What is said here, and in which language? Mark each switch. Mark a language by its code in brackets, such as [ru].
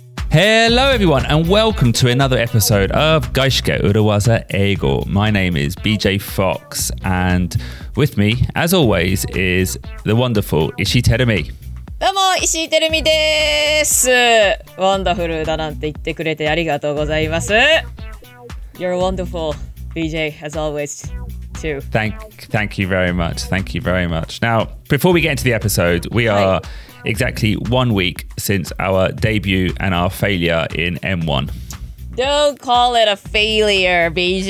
[en] Hello everyone and welcome to another episode of Gaishke Urawaza Eigo. My name is BJ Fox and with me, as always, is the wonderful Ishii Terumi. [ja] どうも、石井てるみです。ワンダフルだなんて言ってくれてありがとうございます。 [en] You're wonderful, BJ, as always, too. Thank you very much. Thank you very much. Now, before we get into the episode, we are exactly 1 week since our debut and our failure in M1. Don't call it a failure, BJ.